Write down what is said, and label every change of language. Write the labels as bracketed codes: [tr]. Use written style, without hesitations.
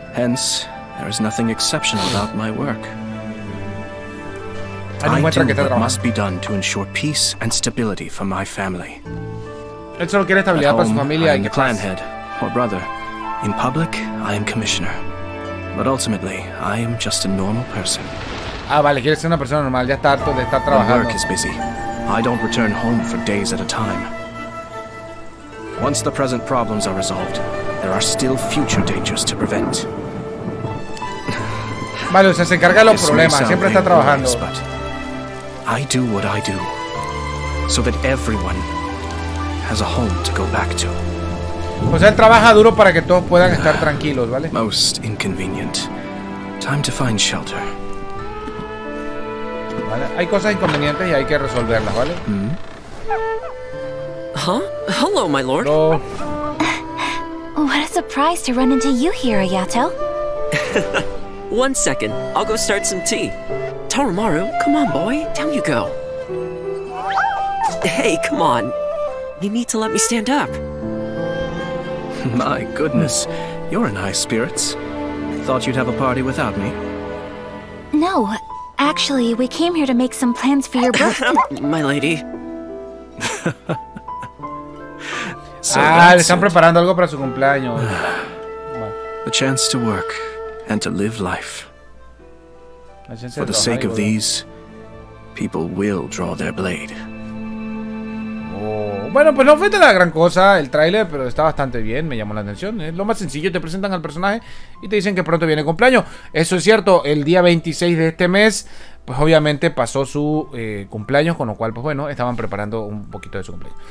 [en] Hence, there is nothing exceptional about my work. I do what must be done to ensure peace and stability for my family. [es] Él solo quiere estabilidad para su familia y que [en] clan head or brother. In public, I am commissioner. But ultimately, I am just a normal person. [es] Ah, vale, quiere ser una persona normal, ya está harto de estar trabajando. [en] Work is busy. I don't return home for days at a time. Once the present problems are resolved, there are still future dangers to prevent. [es] Vale, o sea, se encarga de los problemas, siempre está trabajando. [en] But I do what I do so that everyone has a home to go back to. [es] O sea, él trabaja duro para que todos puedan estar tranquilos, ¿vale? [en] Most inconvenient. Time to find shelter. [es] Vale. Hay cosas inconvenientes y hay que resolverlas, ¿vale? [en] Huh? Hello, my lord. No. What a surprise to run into you here, Hayato. One second, I'll go start some tea. Toromaru, come on, boy, down you go. Hey, come on. You need to let me stand up. My goodness, you're in high spirits. Thought you'd have a party without me. No. Actually, we came here to make some plans for your birthday. My lady. [es] So le están preparando algo para su cumpleaños. [en] The chance to work and to live life. For the sake of these, people will draw their blade. [es] Bueno, pues no fue la gran cosa el tráiler, pero está bastante bien, me llamó la atención. Es lo más sencillo, te presentan al personaje y te dicen que pronto viene cumpleaños. Eso es cierto, el día 26 de este mes, pues obviamente pasó su cumpleaños, con lo cual, pues bueno, estaban preparando un poquito de su cumpleaños.